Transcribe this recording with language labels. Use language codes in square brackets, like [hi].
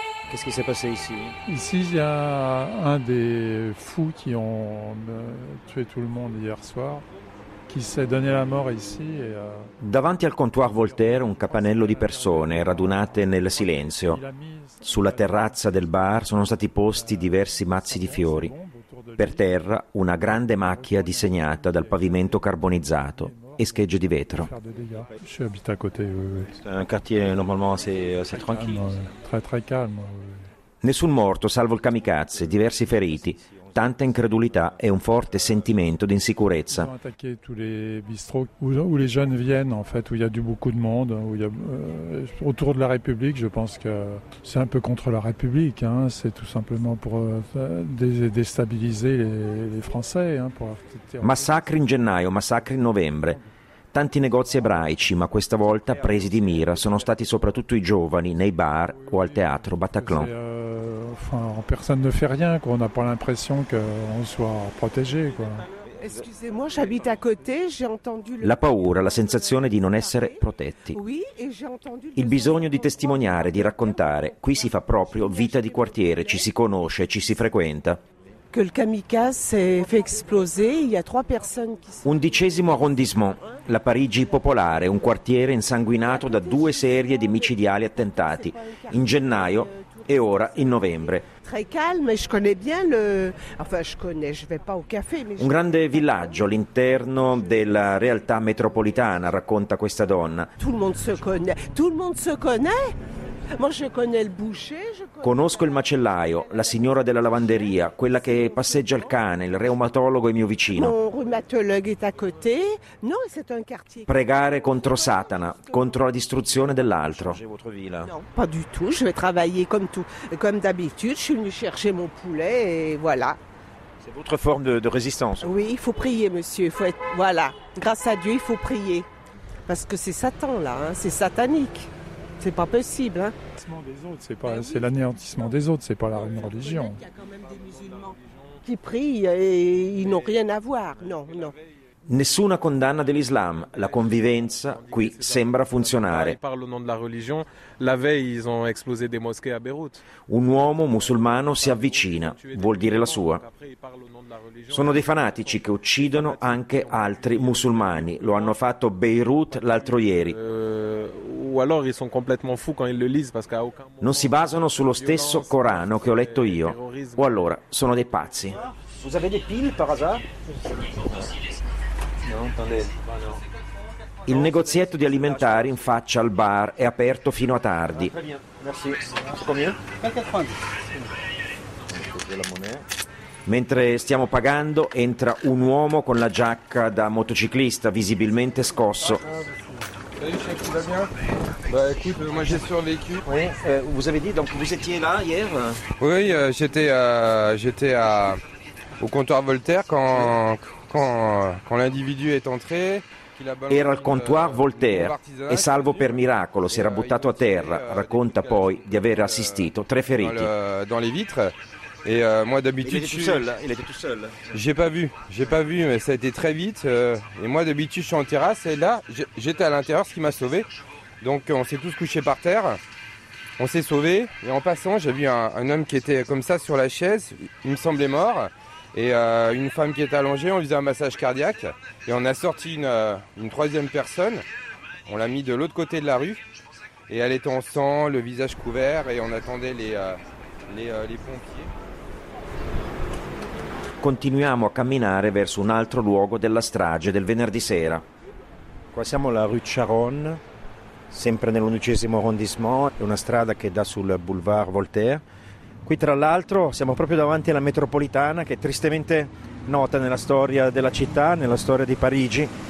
[fr] Qu'est-ce qui s'est passé ici? Ici, il y a un des fous qui ont tué tout le monde hier soir, qui s'est donné la mort ici. [it] Davanti al comptoir Voltaire, un capanello di persone radunate nel silenzio. Sulla terrazza del bar sono stati posti diversi mazzi di fiori. Per terra, una grande macchia disegnata dal pavimento carbonizzato e schegge di vetro. [fr] Je habite à côté. Un quartier normalement assez tranquille. Très très calme. [it] Nessun morto, salvo il kamikaze, diversi feriti, tanta incredulità e un forte sentimento di insicurezza. [fr] Tous les bistrots où les jeunes viennent en fait, où il y a du beaucoup de monde, où il y a autour de la République, je pense que c'est un peu contre la République, hein, c'est tout simplement pour déstabiliser les Français, hein, pour. [it] Massacri in gennaio, massacri in novembre. Tanti negozi ebraici, ma questa volta presi di mira sono stati soprattutto i giovani nei bar o al teatro Bataclan. [fr] Enfin, personne ne fait rien, quoi. On n'a pas l'impression qu'on soit protégé, quoi. Excusez-moi, j'habite à côté, j'ai entendu [it] la paura, la sensazione di non essere protetti. Il bisogno di testimoniare, di raccontare. Qui si fa proprio vita di quartiere, ci si conosce, ci si frequenta. [fr] Que le kamikaze fait exploser, il y a trois personnes qui sont. [it] Undicesimo arrondissement, la Parigi popolare, un quartiere insanguinato da due serie di micidiali attentati in gennaio e ora in novembre. [fr] Très calme, je connais bien le. Enfin, je connais, je vais pas au café. [it] Un grande villaggio all'interno della realtà metropolitana, racconta questa donna. [fr] Tout le monde se connaît. Tout le monde se connaît. Moi je connais le boucher, [it] conosco il macellaio, la signora della lavanderia, quella che passeggia il cane, il reumatologo è mio vicino. [fr] Mon rhumatologue est à côté. Non, c'est un quartier. [it] Pregare contro Satana, contro la distruzione dell'altro. [fr] Non, pas du tout, je vais travailler comme tout, comme d'habitude, je suis venu chercher mon poulet et voilà. C'est votre forme de résistance. Oui, il faut prier monsieur, il faut être voilà, grâce à Dieu, il faut prier. Parce que c'est Satan là, hein, c'est satanique. C'est pas possible, hein. C'est l'anéantissement des autres, c'est pas la religion. Il y a quand même des musulmans qui prient et ils n'ont rien à voir. Non, non. [it] Nessuna condanna dell'Islam, la convivenza qui sembra funzionare. Parlo non della religione, [fr] la veille ils ont explosé des mosquées à Beyrouth. [it] Un uomo musulmano si avvicina, vuol dire la sua. Sono dei fanatici che uccidono anche altri musulmani, lo hanno fatto a Beirut l'altro ieri. O allora [fr] ils sont complètement fous quand ils le lisent parce qu'à aucun. [it] Non si basano sullo stesso Corano che ho letto io. O allora sono dei pazzi. [fr] Vous avez des piles par hasard? [it] Il negozietto di alimentari in faccia al bar è aperto fino a tardi. [fr] Merci. [it] Mentre stiamo pagando, entra un uomo con la giacca da motociclista, visibilmente scosso. [fr] Vous avez dit, donc vous étiez là hier? Oui, j'étais au comptoir Voltaire quand l'individu est entré. [it] Era al comptoir Voltaire e salvo per miracolo si era buttato a terra, racconta poi di aver assistito tre feriti. [fr] Dans les vitres. Et moi d'habitude, il était tout seul. J'ai pas vu, mais ça a été très vite. Et moi d'habitude, je suis en terrasse et là, j'étais à l'intérieur, ce qui m'a sauvé. Donc on s'est tous couchés par terre, on s'est sauvé. Et en passant, j'ai vu un homme qui était comme ça sur la chaise, il me semblait mort. Et une femme qui était allongée, on faisait un massage cardiaque. Et on a sorti une troisième personne, on l'a mis de l'autre côté de la rue. Et elle était en sang, le visage couvert, et on attendait les pompiers. [it] Continuiamo a camminare verso un altro luogo della strage del venerdì sera. Qua siamo alla rue Charonne, sempre nell'undicesimo arrondissement, è una strada che dà sul boulevard Voltaire. Qui tra l'altro siamo proprio davanti alla metropolitana, che è tristemente nota nella storia della città, nella storia di Parigi,